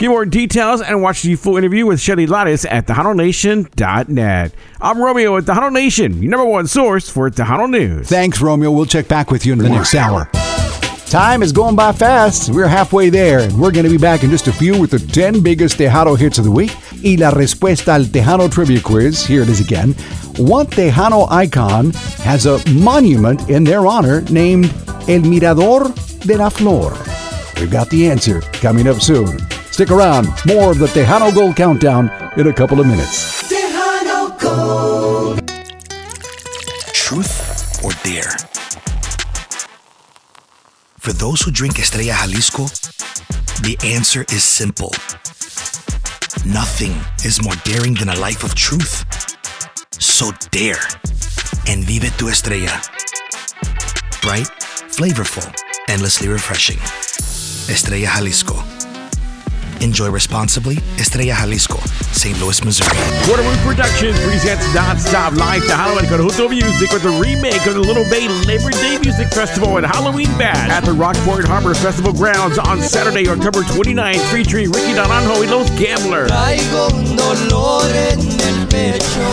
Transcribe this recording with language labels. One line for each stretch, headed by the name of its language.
English: Get more details and watch the full interview with Shelly Lattes at TejanoNation.net. I'm Romeo with Tejano Nation, your number one source for Tejano News. Thanks, Romeo. We'll check back with you in the next hour. Time is going by fast. We're halfway there, and we're going to be back in just a few with the 10 biggest Tejano hits of the week.
Spanish: Y la respuesta al Tejano trivia quiz.
English: Here it is again. What Tejano icon has a monument in their honor named El Mirador de la Flor? We've got the answer coming up soon. Stick around. More of the Tejano Gold Countdown in a couple of minutes. Tejano Gold. Truth or dare? For those who drink Estrella Jalisco, the answer is simple. Nothing is more daring than a life of truth. So dare and
Spanish: vive tu
English: Estrella. Bright, flavorful, endlessly refreshing. Estrella Jalisco. Enjoy responsibly. Estrella Jalisco, St. Louis, Missouri. Quarter Moon Productions presents Nonstop Live, the Halloween Conjunto Music with a remake of the Little Bay Labor Day Music Festival and Halloween Bash at the Rockport Harbor Festival Grounds on Saturday, October 29th, featuring Ricky Naranjo y Los Gamblers.
Spanish: Traigo un dolor en el pecho.